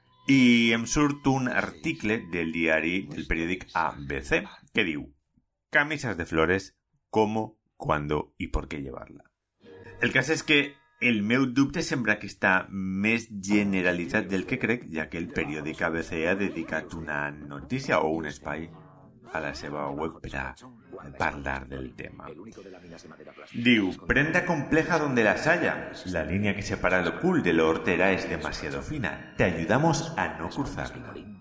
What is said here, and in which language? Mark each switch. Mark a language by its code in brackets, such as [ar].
[ca] I em surt un article del diari del periòdic ABC que diu: camisas de flores, cómo, cuándo y por qué llevarla. El cas és que el meu dubte sembla que està més generalitzat del que crec, ja que el periòdic ABC ha dedicat una notícia o un espai a la seva web per a parlar del tema. Diu: [es] prenda compleja donde las haya. La línea que separa lo cool de lo hortera es demasiado fina. Te ayudamos a no cruzarla.